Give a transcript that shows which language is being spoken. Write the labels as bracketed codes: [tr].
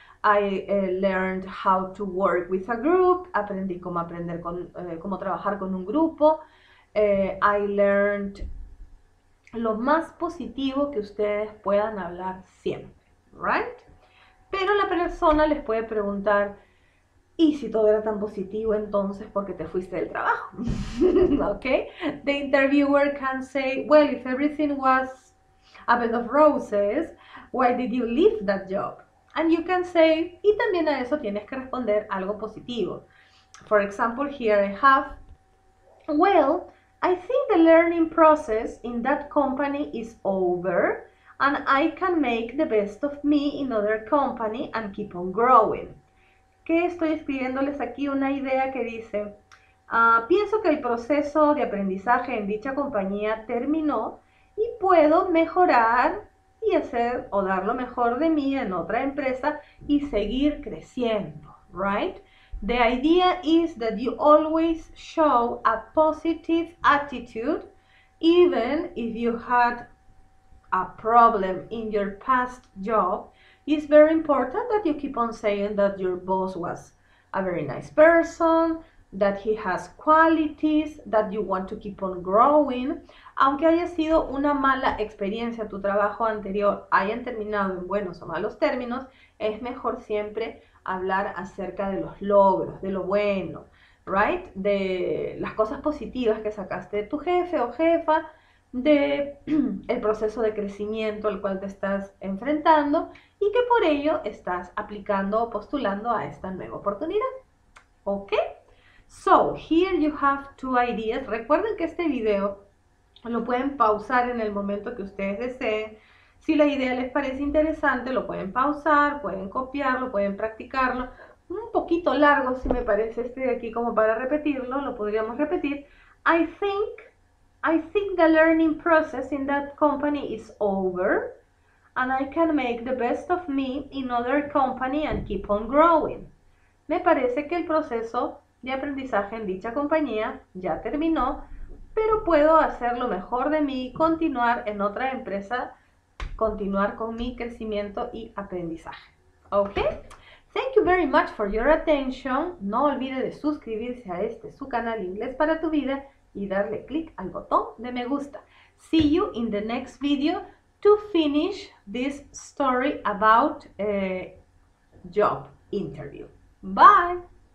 [en] I learned how to work with a group, [es] aprendí cómo aprender con, cómo trabajar con un grupo. [en] I learned [es] lo más positivo que ustedes puedan hablar siempre, right? Pero la persona les puede preguntar, ¿y si todo era tan positivo entonces porque te fuiste del trabajo? [en] Okay? The interviewer can say, well, if everything was a bed of roses, why did you leave that job? And you can say, y también a eso tienes que responder algo positivo. For example, here I have, well, I think the learning process in that company is over and I can make the best of me in other company and keep on growing. [es] ¿Qué estoy escribiéndoles aquí? Una idea que dice, pienso que el proceso de aprendizaje en dicha compañía terminó y puedo mejorar y hacer o dar lo mejor de mí en otra empresa y seguir creciendo, right? [en] The idea is that you always show a positive attitude even if you had a problem in your past job. It's very important that you keep on saying that your boss was a very nice person, that he has qualities, that you want to keep on growing. [es] Aunque haya sido una mala experiencia tu trabajo anterior, hayan terminado en buenos o malos términos, es mejor siempre hablar acerca de los logros, de lo bueno, right? De las cosas positivas que sacaste de tu jefe o jefa, de el proceso de crecimiento al cual te estás enfrentando y que por ello estás aplicando o postulando a esta nueva oportunidad. ¿Ok? [en] So, here you have two ideas. [es] Recuerden que este video lo pueden pausar en el momento que ustedes deseen. Si la idea les parece interesante, lo pueden pausar, pueden copiarlo, pueden practicarlo. Un poquito largo, si me parece este de aquí como para repetirlo, lo podríamos repetir. [en] I think the learning process in that company is over and I can make the best of me in other company and keep on growing. [es] Me parece que el proceso de aprendizaje en dicha compañía ya terminó, pero puedo hacer lo mejor de mí, continuar en otra empresa, continuar con mi crecimiento y aprendizaje. ¿Ok? [en] Thank you very much for your attention. [es] No olvide de suscribirse a este, su canal Inglés para tu vida, y darle click al botón de me gusta. [en] See you in the next video to finish this story about job interview. Bye!